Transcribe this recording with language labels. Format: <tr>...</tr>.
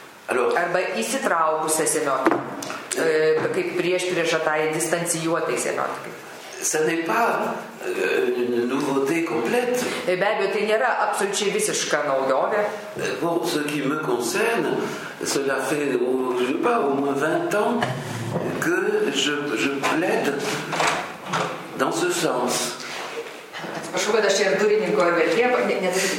<lt>Arba įsitraukusią semiotiką, kaip priešprieša tai distancijuotai semiotikai.</lt> <fr>Ça n'est pas une nouveauté complète. Et bien,</fr> <lt>tai nėra absoliučiai visiška naujovė.</lt> <fr>Bon, ce qui me concerne, cela fait au moins 20 ans que je plaide dans ce sens.</fr> <lt>Atsiprašau, kad aš ir durininko ir vertėjo vaidmenį.</lt>